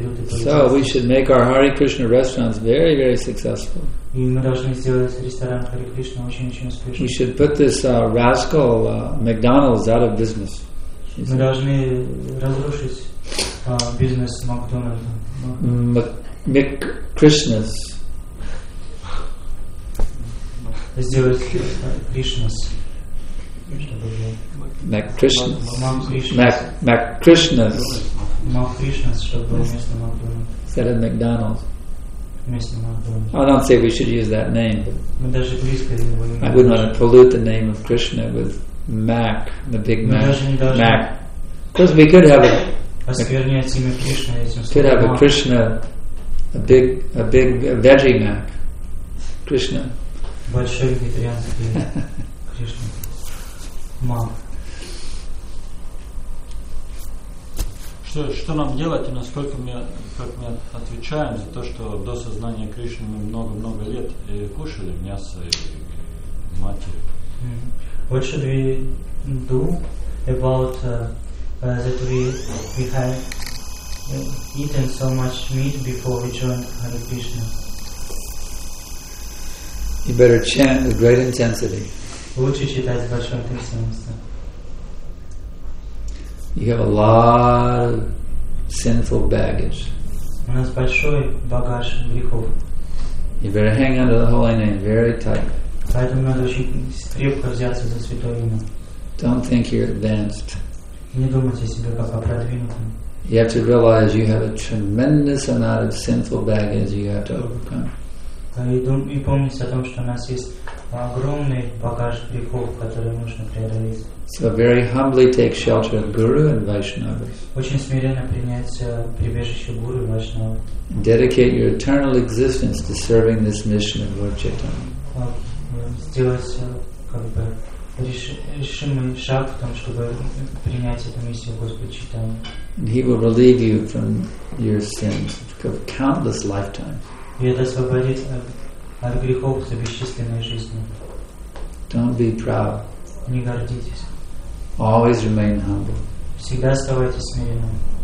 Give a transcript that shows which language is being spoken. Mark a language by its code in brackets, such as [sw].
[en] So we should make our Hare Krishna restaurants very, very successful. We should put this rascal McDonald's out of business. [ru] Мы должны разрушить бизнес Макдональда. Кришнас. Сделать Кришнас. Мак Кришнас. Мак Кришнас, чтобы было вместо Макдональда. [en] Said at McDonald's. [ru] Вместо Макдональда. [en] I don't say we should use that name. [ru] Мы даже близко не будем. [en] I wouldn't want to pollute the name of Krishna with Mac, the Big Mac. Because we could have a Krishna, a big veggie Mac, Krishna. [ru] Большой вегетарианский Кришна. Мам. Что нам делать и насколько мы отвечаем за то, что до сознания Кришны мы много лет кушали мясо и мати? [en] What should we do about that we had eaten so much meat before we joined Hare Krishna? You better chant with great intensity. [ru] Лучше читать с большой интенсивностью. [en] You have a lot of sinful baggage. [ru] У нас большой багаж грехов. [en] You better hang on to the holy name very tight. [ru] Поэтому надо очень крепко взяться за святое имя. [en] Don't think you're advanced. [ru] Не думайте о себе как о продвинутом. [en] You have to realize you have a tremendous amount of sinful baggage you have to overcome. [ru] и помнить о том, что у нас есть огромный багаж грехов, который нужно преодолеть. [en] So very humbly take shelter of Guru and Vaishnavas. [ru] Очень смиренно принять прибежище Гуру и Вайшнава. [en] Dedicate your eternal existence to serving this mission of Lord Chaitanya. [ru] Сделать как бы решимый шаг в том, чтобы принять эту миссию Господа Чайтаньи. [en] He will relieve you from your sins of countless lifetimes. [ru] И это освободит от грехов за бесчисленную жизнь. [en] Don't be proud. [ru] Не гордитесь. [en] Always remain humble. [ru] Всегда оставайтесь смиренным.